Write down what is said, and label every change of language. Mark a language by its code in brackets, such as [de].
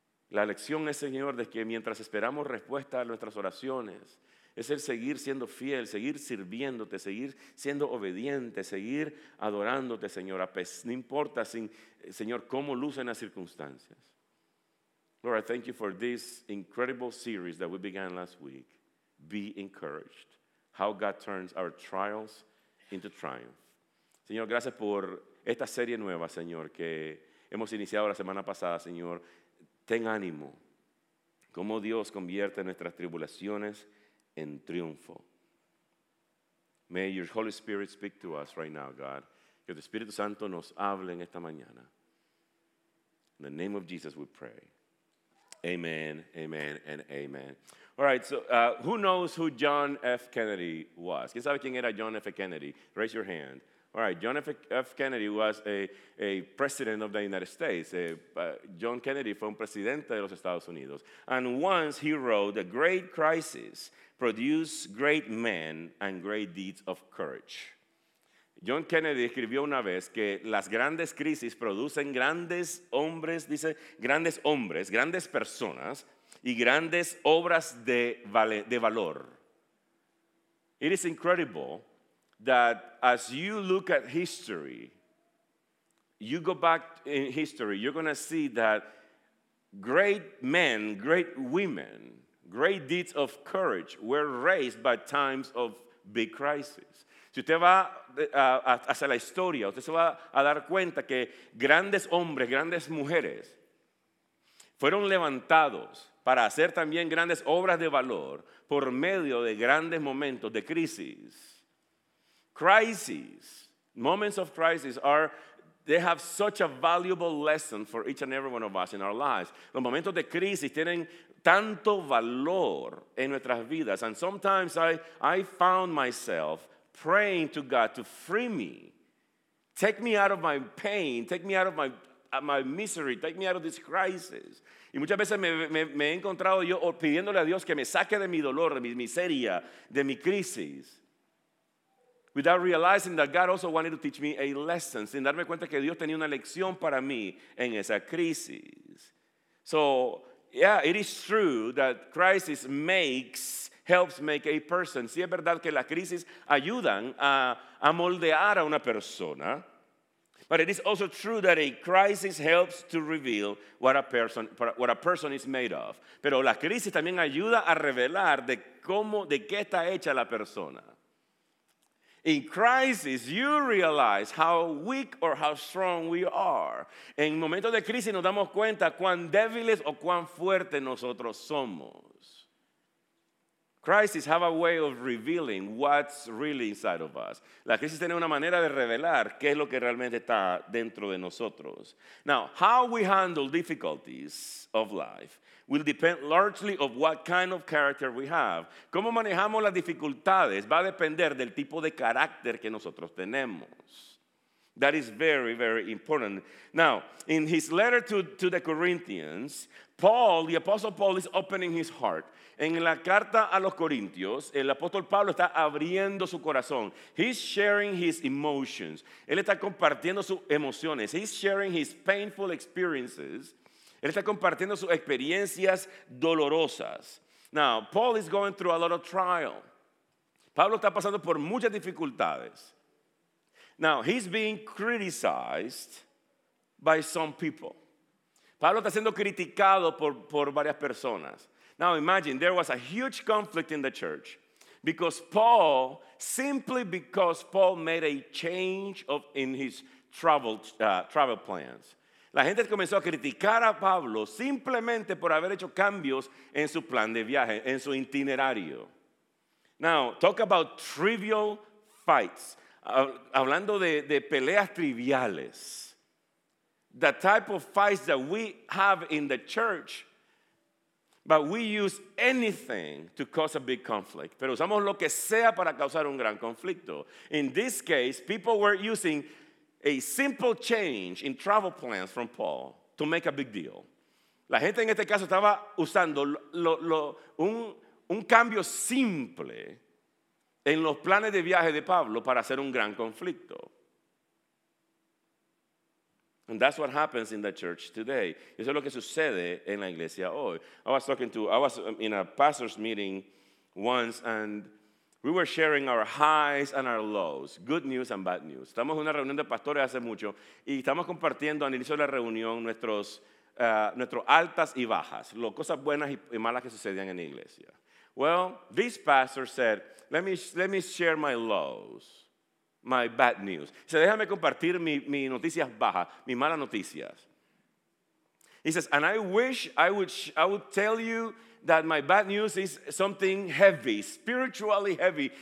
[es] La lección es, Señor, de que mientras esperamos respuesta a nuestras oraciones, es el seguir siendo fiel, seguir sirviéndote, seguir siendo obediente, seguir adorándote, Señor, no importa, Señor, cómo lucen las circunstancias. [en] Lord, I thank you for this incredible series that we began last week. Be encouraged. How God turns our trials into triumph. [es] Señor, gracias por esta serie nueva, Señor, que hemos iniciado la semana pasada, Señor. Ten ánimo. Cómo Dios convierte nuestras tribulaciones en triunfo. [en] May your Holy Spirit speak to us right now, God. [es] Que tu Espíritu Santo nos hable en esta mañana. [en] In the name of Jesus we pray. Amen, amen, and amen. All right, so who knows who John F. Kennedy was? [es] ¿Quién sabe quién era John F. Kennedy? [en] Raise your hand. All right, John F. Kennedy was a president of the United States. [es] John Kennedy fue un presidente de los Estados Unidos. [en] And once he wrote, "A great crisis produces great men and great deeds of courage." [es] John Kennedy escribió una vez que las grandes crisis producen grandes hombres, dice, grandes hombres, grandes personas, y grandes obras de valor. [en] It is incredible that as you look at history, you go back in history, you're going to see that great men, great women, great deeds of courage were raised by times of big crisis. [es] Si usted va hacia la historia, usted se va a dar cuenta que grandes hombres, grandes mujeres fueron levantados para hacer también grandes obras de valor por medio de grandes momentos de crisis. [en] Crisis, moments of crisis are, they have such a valuable lesson for each and every one of us in our lives. [es] Los momentos de crisis tienen tanto valor en nuestras vidas. [en] And sometimes I found myself praying to God to free me. Take me out of my pain, take me out of my misery, take me out of this crisis. [es] Y muchas veces me he encontrado yo pidiéndole a Dios que me saque de mi dolor, de mi miseria, de mi crisis. [en] Without realizing that God also wanted to teach me a lesson. [es] Sin darme cuenta que Dios tenía una lección para mí en esa crisis. [en] So, yeah, it is true that crisis helps make a person. [es] Sí es verdad que las crisis ayudan a moldear a una persona. [en] But it is also true that a crisis helps to reveal what a person is made of. [es] Pero la crisis también ayuda a revelar de qué está hecha la persona. [en] In crisis, you realize how weak or how strong we are. [es] En momentos de crisis nos damos cuenta cuán débiles o cuán fuertes nosotros somos. [en] Crisis have a way of revealing what's really inside of us. [es] La crisis tiene una manera de revelar qué es lo que realmente está dentro de nosotros. [en] Now, how we handle difficulties of life will depend largely of what kind of character we have. [es] Cómo manejamos las dificultades va a depender del tipo de carácter que nosotros tenemos. [en] That is very, very important. Now, in his letter to the Corinthians, Paul, the Apostle Paul, is opening his heart. [es] En la carta a los Corintios, el apóstol Pablo está abriendo su corazón. [en] He's sharing his emotions. [es] Él está compartiendo sus emociones. [en] He's sharing his painful experiences. [es] Él está compartiendo sus experiencias dolorosas. [en] Now, Paul is going through a lot of trial. [es] Pablo está pasando por muchas dificultades. [en] Now, he's being criticized by some people. [es] Pablo está siendo criticado por varias personas. [en] Now, imagine, there was a huge conflict in the church. Because Paul, simply because Paul made a change of in his travel plans. [es] La gente comenzó a criticar a Pablo simplemente por haber hecho cambios en su plan de viaje, en su itinerario. [en] Now, talk about trivial fights. [es] Hablando de peleas triviales. [en] The type of fights that we have in the church, but we use anything to cause a big conflict. [es] Pero usamos lo que sea para causar un gran conflicto. [en] In this case, people were using a simple change in travel plans from Paul to make a big deal. [es] La gente en este caso estaba usando un cambio simple en los planes de viaje de Pablo para hacer un gran conflicto. [en] And that's what happens in the church today. [es] Eso es lo que sucede en la iglesia hoy. [en] I was in a pastor's meeting once, and we were sharing our highs and our lows, good news and bad news. [es] Estamos en una reunión de pastores hace mucho, y estamos compartiendo al inicio de la reunión nuestros altas y bajas, lo cosas buenas y malas que sucedían en la iglesia. [en] Well, this pastor said, let me share my lows. My bad news. He says, [es] déjame compartir mi noticias bajas, mi malas noticias. [en] He says, and I wish I would tell you that my bad news is something heavy, spiritually heavy.